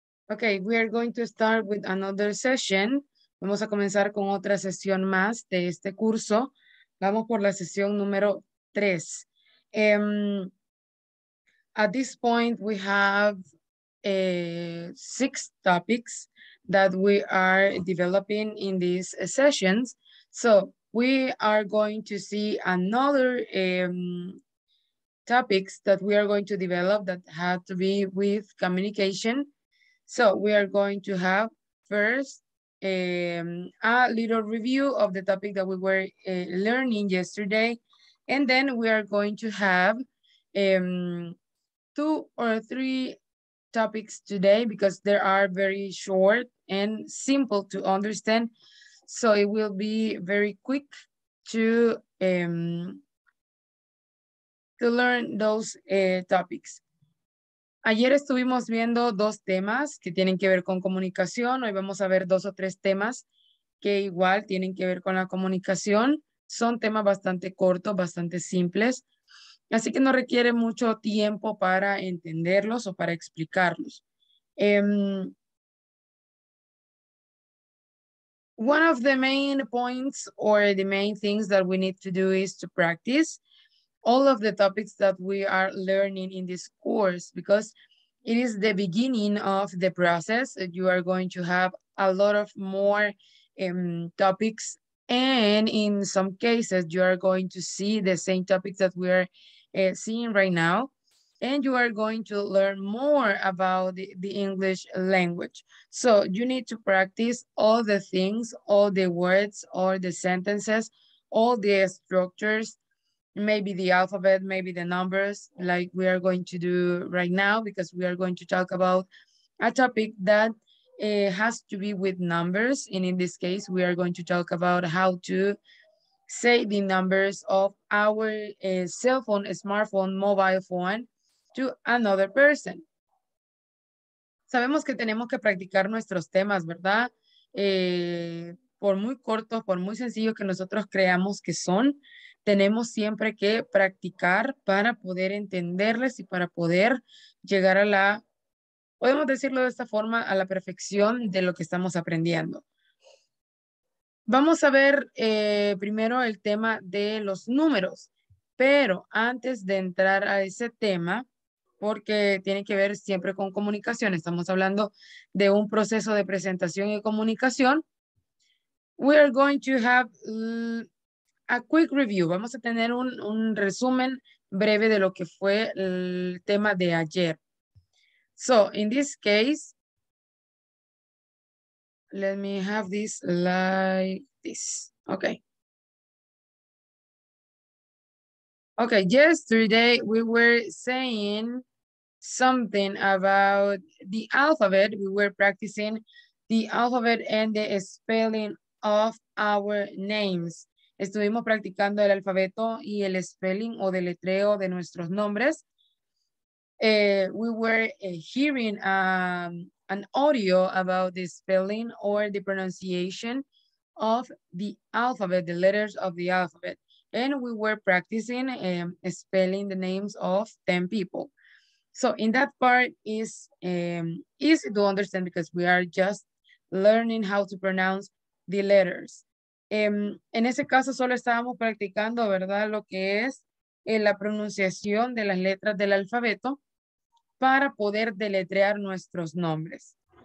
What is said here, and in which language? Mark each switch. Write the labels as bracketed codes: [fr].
[en] Okay, we are going to start with another session. [es] Vamos a comenzar con otra sesión más de este curso. Vamos por la sesión número 3. [en] At this point, we have 6 topics that we are developing in these sessions. So we are going to see another topics that we are going to develop that had to be with communication. So we are going to have first a little review of the topic that we were learning yesterday. And then we are going to have 2 or 3 topics today, because they are very short and simple to understand. So it will be very quick to learn those topics. [es] Ayer estuvimos viendo 2 temas que tienen que ver con comunicación. Hoy vamos a ver 2 o 3 temas que igual tienen que ver con la comunicación. Son temas bastante cortos, bastante simples. Así que no requiere mucho tiempo para entenderlos o para explicarlos. [en] One of the main points or the main things that we need to do is to practice all of the topics that we are learning in this course, because it is the beginning of the process. You are going to have a lot of more topics, and in some cases, you are going to see the same topics that we are seeing right now, and you are going to learn more about the English language. So you need to practice all the things, all the words, all the sentences, all the structures, maybe the alphabet, maybe the numbers, like we are going to do right now, because we are going to talk about a topic that has to be with numbers. And in this case, we are going to talk about how to say the numbers of our cell phone, smartphone, mobile phone to another person. [es] Sabemos que tenemos que practicar nuestros temas, ¿verdad? Por muy cortos, por muy sencillos que nosotros creamos que son, tenemos siempre que practicar para poder entenderles y para poder llegar a la, podemos decirlo de esta forma, a la perfección de lo que estamos aprendiendo. Vamos a ver primero el tema de los números, pero antes de entrar a ese tema, porque tiene que ver siempre con comunicación, estamos hablando de un proceso de presentación y comunicación, [en] we are going to have a quick review. [es] Vamos a tener un resumen breve de lo que fue el tema de ayer. [en] So, in this case, let me have this like this. Okay. Okay, yesterday we were saying something about the alphabet. We were practicing the alphabet and the spelling of our names. [es] Estuvimos practicando el alfabeto y el spelling o deletreo de nuestros nombres. [en] We were hearing an audio about the spelling or the pronunciation of the alphabet, the letters of the alphabet. And we were practicing spelling the names of 10 people. So in that part is easy to understand, because we are just learning how to pronounce the letters. [es] En ese caso solo estábamos practicando, ¿verdad?, lo que es la pronunciación de las letras del alfabeto para poder deletrear nuestros nombres.